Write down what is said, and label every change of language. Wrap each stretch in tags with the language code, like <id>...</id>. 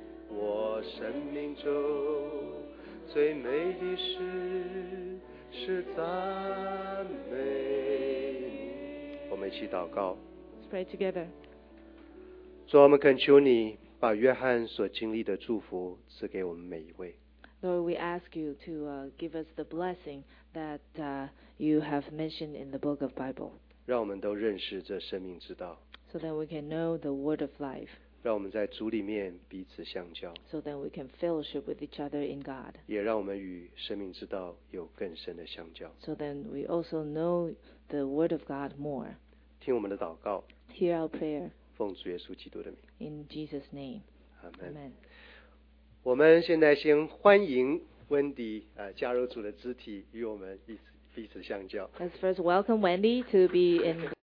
<zh>我生命中最美的事是赞美。我们一起祷告。</zh> <en>Let's pray together.</en> <zh>主，我们恳求你把约翰所经历的祝福赐给我们每一位。</zh> <en>Lord, we ask you to give us the blessing that you have mentioned in the book of Bible.</en> <zh>让我们都认识这生命之道。</zh> <en>So that we can know the word of life.</en> <zh>让我们在主里面彼此相交。</zh> <en>So that we can fellowship with each other in God.</en> <zh>也让我们与生命之道有更深的相交。</zh> <en>So then we also know the word of God more.</en> <zh>听我们的祷告。</zh> <en>Hear our prayer.</en> <zh>奉主耶稣基督的名。</zh> <en>In Jesus' name. Amen. Amen.</en> <zh>我们现在先欢迎温迪加入主的肢体与我们彼此相交。</zh> <en>Let's first welcome Wendy to be in.</en>